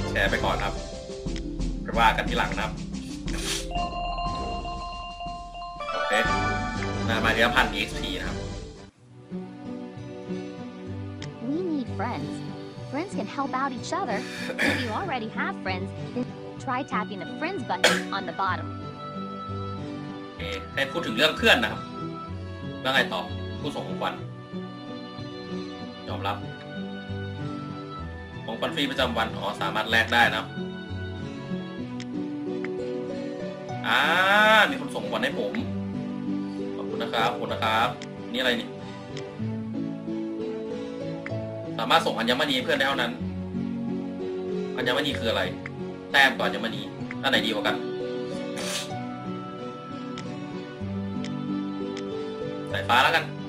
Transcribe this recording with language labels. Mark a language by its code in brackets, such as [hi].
[th] ไปก่อนครับไปว่ากันที่หลังครับโอเคมาเรียกพัน EXP นะครับ [en] We need friends. Friends can help out each other. If you already have friends, try tapping the friends button on the bottom. [th] โอเคให้พูดถึงเรื่องเพื่อนนะครับเรื่องอะไรต่อผู้ส่งของขวัญยอมรับของฟันฟรีประจำวันอ๋อสามารถแลกได้นะ มีคนส่งวันให้ผมขอบคุณนะครับนี่อะไรนี่สามารถส่งอัญมณีเพื่อนได้เท่านั้นอัญมณีคืออะไรแต้มต่ออัญมณีอันไหนดีกว่ากันสายฟ้าแล้วกัน